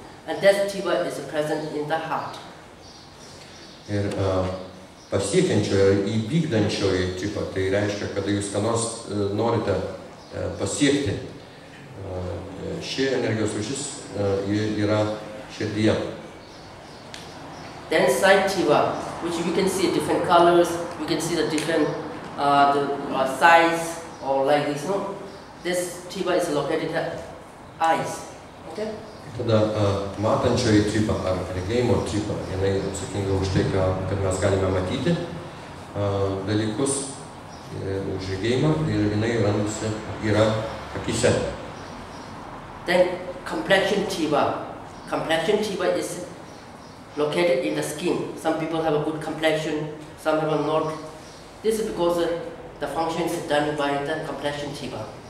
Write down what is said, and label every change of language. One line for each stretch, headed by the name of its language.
English: And that tripa is present in the heart.
Lithuanian: Ir pasiekiančioji, įvykdančioji tripa, tai reiškia, kada jūs ką nors norite pasiekti. Ši energijos rūšis yra širdyje.
English: Then side tripa, which we can see different colors, we can see the different size or like this, no? This tripa is located at eyes, okay?
Lithuanian: Tada matančioji tripa ar regėjimo tripa, jinai atsakinga už tai, kad mes galime matyti dalykus už regėjimą ir jinai randasi, yra akise.
English: Then complexion tripa is located in the skin. Some people have a good complexion, some have not. This is because the function is done by the complexion tripa.